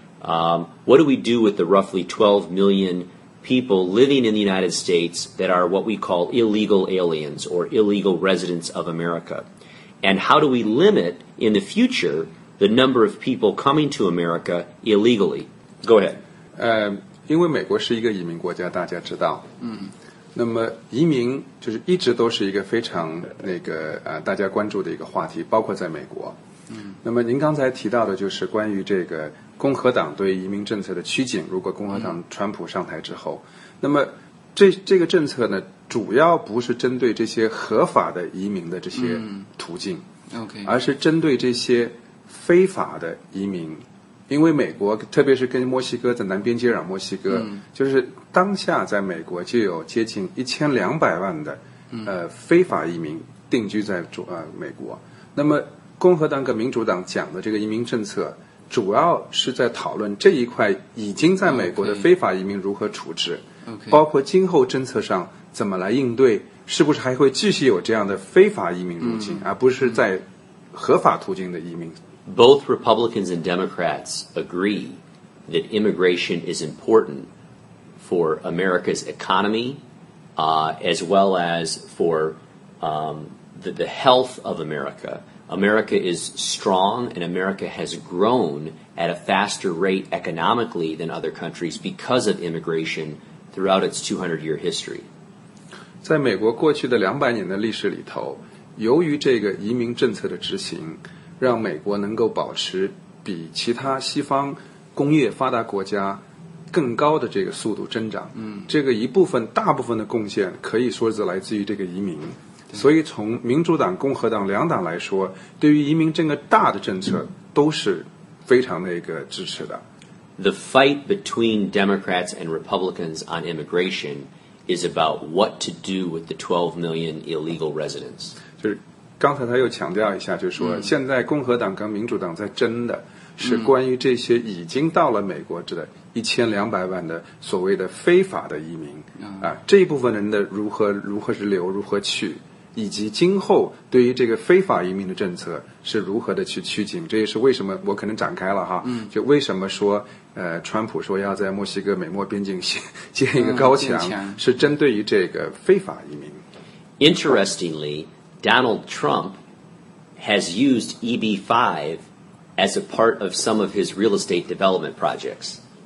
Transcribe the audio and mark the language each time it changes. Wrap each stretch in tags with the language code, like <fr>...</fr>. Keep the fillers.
<en>Um, what do we do with the roughly 12 million people living in the United States that are what we call illegal aliens or illegal residents of America? And how do we limit in the future the number of people coming to America illegally?</en> <zh>各位，呃，因为美国是一个移民国家，大家知道，嗯，那么移民就是一直都是一个非常那个呃大家关注的一个话题，包括在美国。嗯，那么您刚才提到的就是关于这个共和党对移民政策的趋紧，如果共和党、嗯、川普上台之后，那么这这个政策呢，主要不是针对这些合法的移民的这些途径、嗯、，OK，而是针对这些非法的移民。因为美国，特别是跟墨西哥在南边接壤，墨西哥、嗯、就是当下在美国就有接近一千两百万的呃、嗯、非法移民定居在主呃美国。那么共和党跟民主党讲的这个移民政策，主要是在讨论这一块已经在美国的非法移民如何处置，嗯、okay, okay. 包括今后政策上怎么来应对，是不是还会继续有这样的非法移民入境，而不是在合法途径的移民。</zh> <en>both Republicans and Democrats agree that immigration is important for America's economy uh, as well as for um, the, the, health of America. America is strong and America has grown at a faster rate economically than other countries because of immigration throughout its 200 year history.</en> <zh>在美国过去的200年的历史里头,由于这个移民政策的执行,让美国能够保持比其他西方工业发达国家更高的这个速度增长，嗯，这个一部分、大部分的贡献可以说是来自于这个移民。所以，从民主党、共和党两党来说，对于移民这个大的政策都是非常的一个支持的。</zh> <en>The fight between Democrats and Republicans on immigration is about what to do with the 12 million illegal residents.</en> <zh>就是刚才他又强调一下，就说现在共和党跟民主党在争的是关于这些已经到了美国这的一千两百万的所谓的非法的移民啊，这一部分人的如何如何是留如何去，以及今后对于这个非法移民的政策是如何的去取紧，这也是为什么我可能展开了哈，就为什么说呃，川普说要在墨西哥美墨边境建建一个高墙，是针对于这个非法移民、嗯。</zh> <en>嗯、Interestingly. Donald Trump has used EB5 as a part of some of his real estate development projects.</en>